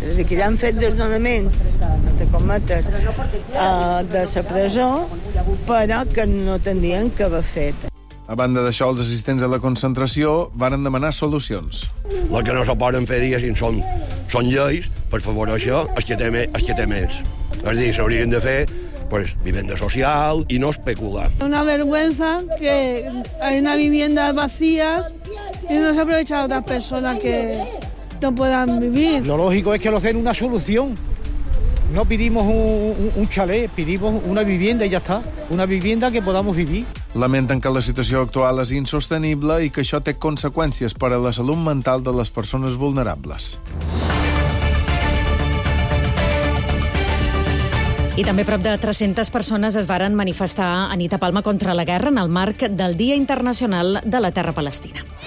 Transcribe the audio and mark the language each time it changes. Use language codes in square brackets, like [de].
[ca] És a dir, que ja han fet desnonaments, de cometes, de la presó, però que no tenien que haver fet. A banda d'això, els assistents a la concentració varen demanar solucions. El que no se poden fer, diguéssim, són lleis, per favor, això, els que té més. És a dir, s'haurien de fer [es] pues vivienda social y no especular. Una vergüenza que hay una vivienda vacía y no se aprovecha de otras personas que no puedan vivir. Lo lógico es que nos den una solución. No pedimos un chalet, pedimos una vivienda y ya está. Una vivienda que podamos vivir. [ca] Lamenten que la situació actual és insostenible i que això té conseqüències per a la salut mental de les persones vulnerables. I també prop de 300 persones es varen manifestar a nit a Palma contra la guerra en el marc del Dia Internacional de la Terra Palestina.